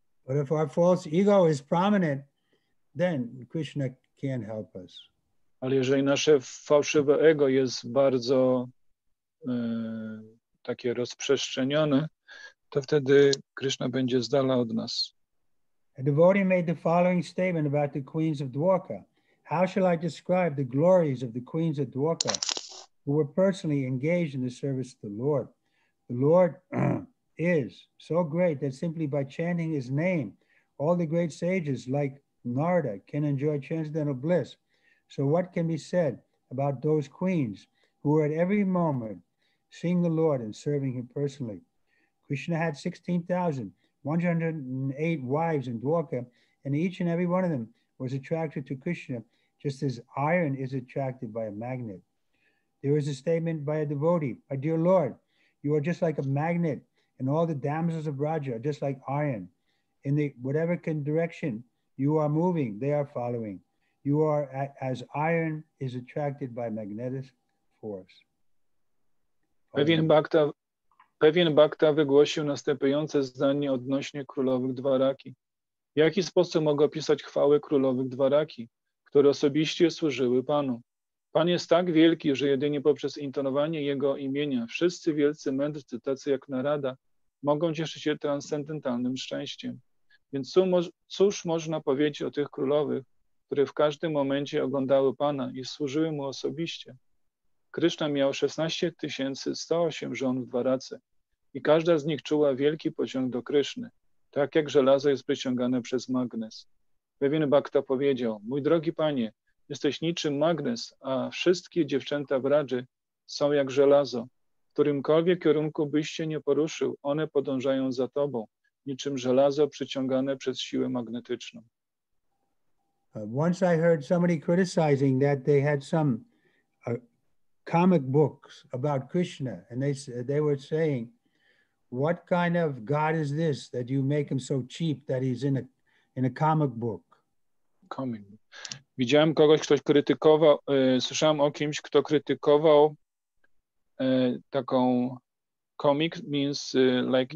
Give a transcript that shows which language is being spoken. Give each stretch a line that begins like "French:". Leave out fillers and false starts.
English: But if our false ego is prominent, then Krishna can't help us.
Polish: Ale jeżeli nasze fałszywe ego jest bardzo takie rozprzestrzenione, to wtedy Krishna będzie z dala od nas.
English: A devotee made the following statement about the queens of Dwarka. How shall I describe the glories of the queens of Dwarka who were personally engaged in the service of the Lord? The Lord is so great that simply by chanting his name, all the great sages like Narada can enjoy transcendental bliss. So what can be said about those queens who were at every moment seeing the Lord and serving him personally? Krishna had 16,108 wives in Dwarka, and each and every one of them was attracted to Krishna just as iron is attracted by a magnet. There is a statement by a devotee, my dear Lord, you are just like a magnet, and all the damsels of Raja are just like iron. In the whatever direction you are moving, they are following. You are as iron is attracted by magnetic force.
Polish: Pewien Bhakta wygłosił następujące zdanie odnośnie królowych Dwaraki. W jaki sposób mogę opisać chwały królowych Dwaraki, które osobiście służyły Panu? Pan jest tak wielki, że jedynie poprzez intonowanie Jego imienia wszyscy wielcy mędrcy, tacy jak Narada, mogą cieszyć się transcendentalnym szczęściem. Więc cóż można powiedzieć o tych królowych, które w każdym momencie oglądały Pana i służyły Mu osobiście? Krishna miał 16 108 żon w Dwarace i każda z nich czuła wielki pociąg do Kryszny, tak jak żelazo jest przyciągane przez magnes. Pewien Bhakta powiedział, mój drogi panie, jesteś niczym magnes, a wszystkie dziewczęta w Radży są jak żelazo. W którymkolwiek kierunku byś się nie poruszył, one podążają za tobą, niczym żelazo przyciągane przez siłę magnetyczną.
English: Once I heard somebody criticizing that they had some comic books about Krishna, and they were saying, what kind of God is this that you make him so cheap that he's in a comic book? Comic.
Polish: Widziałem kogoś, ktoś krytykował, słyszałem o kimś, kto krytykował taką
English: comic, means like